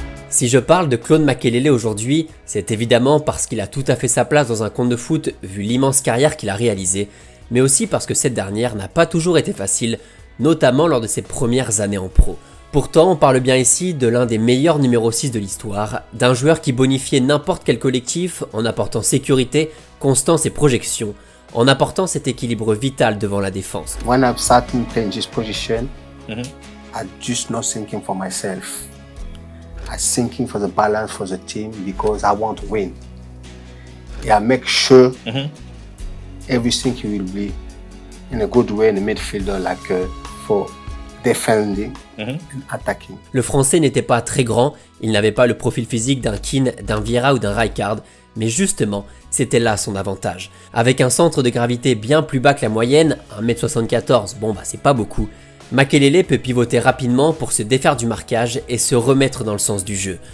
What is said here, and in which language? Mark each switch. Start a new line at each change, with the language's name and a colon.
French: Si je parle de Claude Makélélé aujourd'hui, c'est évidemment parce qu'il a tout à fait sa place dans un conte de foot vu l'immense carrière qu'il a réalisée, mais aussi parce que cette dernière n'a pas toujours été facile, notamment lors de ses premières années en pro. Pourtant, on parle bien ici de l'un des meilleurs numéro 6 de l'histoire, d'un joueur qui bonifiait n'importe quel collectif en apportant sécurité, constance et projection, en apportant cet équilibre vital devant la défense.
English: When I'm starting playing this position, I'm just not thinking for myself. I'm thinking for the balance for the team because I want to win. Yeah, make sure everything will be in a good way in the midfield, like for defending and attacking.
French: Le Français n'était pas très grand, il n'avait pas le profil physique d'un Keane, d'un Vieira ou d'un Rijkaard, mais justement, c'était là son avantage. Avec un centre de gravité bien plus bas que la moyenne, 1m74, bon bah c'est pas beaucoup. Makelele peut pivoter rapidement pour se défaire du marquage et se remettre dans le sens du jeu.